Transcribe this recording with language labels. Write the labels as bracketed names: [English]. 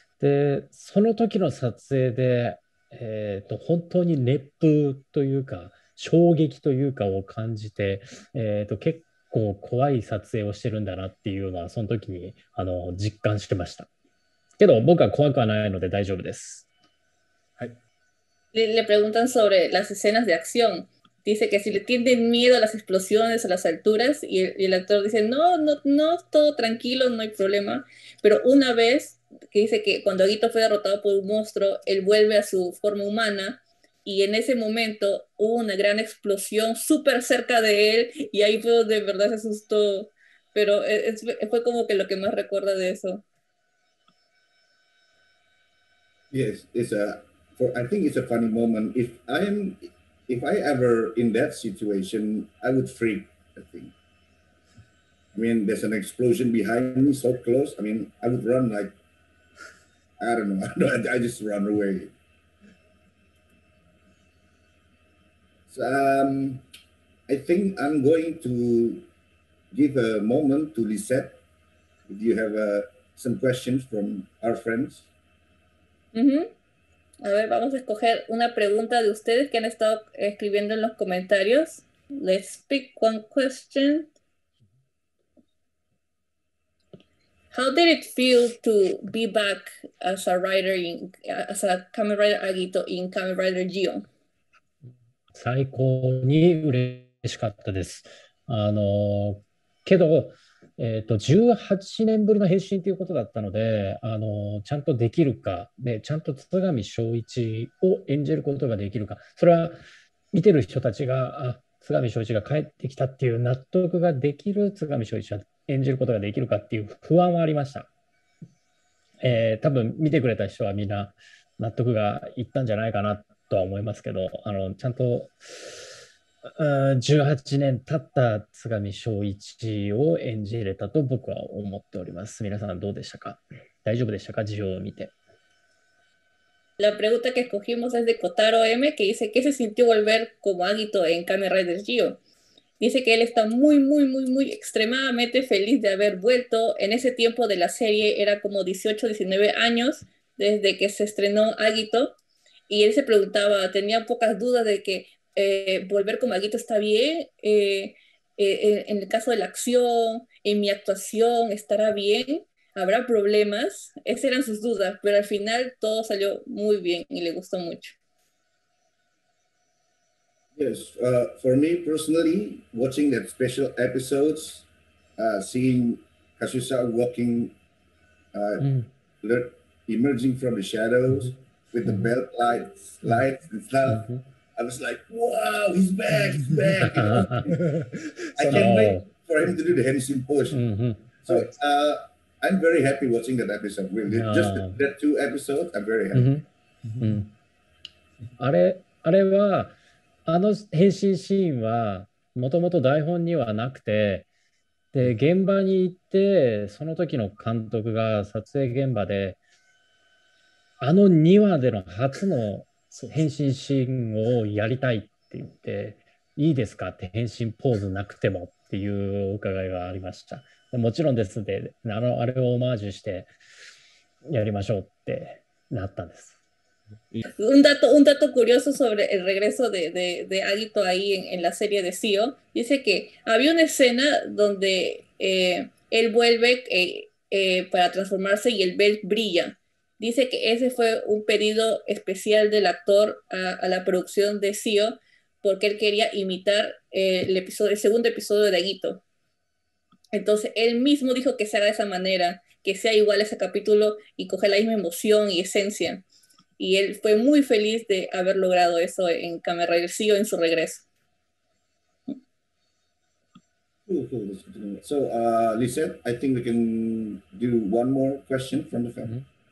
[Japanese] で、その時の撮影で、本当に熱風というか衝撃というかを感じて、結構怖い撮影をしてるんだなっていうのはその時に実感してました。けど僕は怖くはないので大丈夫です。 [Spanish] Le preguntan sobre las escenas de acción. Dice que si le tienen miedo a las explosiones, a las alturas, y el actor dice, no, no, no, todo tranquilo, no hay problema. Pero una vez, que dice que cuando Aguito fue derrotado por un monstruo, él vuelve a su forma humana, y en ese momento hubo una gran explosión súper cerca de él, y ahí fue donde de verdad se asustó. Pero fue como que lo que más recuerda de eso. [English] Yes, I think it's a funny moment. If I ever in that situation, I would freak, I think. I mean, there's an explosion behind me so close. I mean, I would run like, I don't know, I just run away. So, I think I'm going to give a moment to Lisette. If you have some questions from our friends. [Spanish] A ver, vamos a escoger una pregunta de ustedes que han estado escribiendo en los comentarios. [English] Let's pick one question. How did it feel to be back as a writer as a Kamen Rider Agito in Kamen Rider Gion? [Japanese] 最高に嬉しかったです。けど、18年ぶりの変身ということだったので、ちゃんとできるか、で、ちゃんと津上正一を演じることができるか、それは見てる人たちが、あ、津上正一が帰ってきたっていう納得ができる津上正一を演じることができるかっていう不安はありました。多分見てくれた人はみんな納得がいったんじゃないかなとは思いますけど、ちゃんと、18年経った津上正一を演じれたと僕は思っております。皆さんどうでしたか？大丈夫でしたか？授業を見て。 [Spanish] La pregunta que escogimos es de Kotaro M, que dice que se sintió volver como Agito en Kamen Rider Gio. Dice que él está muy, muy, muy, muy extremadamente feliz de haber vuelto. En ese tiempo de la serie era como 18, 19 años desde que se estrenó Agito. Y él se preguntaba, tenía pocas dudas de que volver como Agito está bien. En el caso de la acción, en mi actuación, estará bien. ¿Habrá problemas? Esas eran sus dudas, pero al final todo salió muy bien y le gustó mucho. [English] Yes, for me personally, watching that special episodes, seeing Kazusa walking, emerging from the shadows with the belt lights and stuff, I was like, wow, he's back, you know. I can't wait for him to do the Henshin pose. So I'm very happy watching that episode. Really, just that two episodes, I'm very happy. [Japanese] あれは、あの変身シーンはもともと台本にはなくて、で、現場に行って、その時の監督が撮影現場で、あの2話での初の変身シーンをやりたいって言って、いいですかって変身ポーズなくてもっていうお伺いがありました。もちろんです。で、あれをオマージュしてやりましょうってなったんです。 [Spanish] Un dato curioso sobre el regreso de Agito ahí en la serie de Sio. Dice que había una escena donde él vuelve para transformarse y el belt brilla. Dice que ese fue un pedido especial del actor a la producción de Sio, porque él quería imitar el segundo episodio de Agito. Entonces él mismo dijo que se haga de esa manera, que sea igual ese capítulo y coger la misma emoción y esencia. Y él fue muy feliz de haber logrado eso en Kamen Rider Zio en su regreso. [English] So, Lisette, I think we can do one more question from the phone.